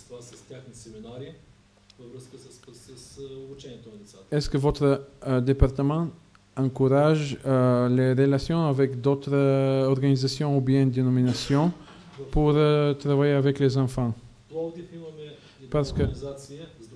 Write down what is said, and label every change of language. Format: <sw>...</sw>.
<bg>С тяхни семинари, във връзка с обучението на децата.</bg> <fr>Est-ce que votre département encourage les relations avec d'autres organisations ou bien dénominations pour travailler avec les enfants?</fr> <bg>Пловдив имаме една организация.</bg>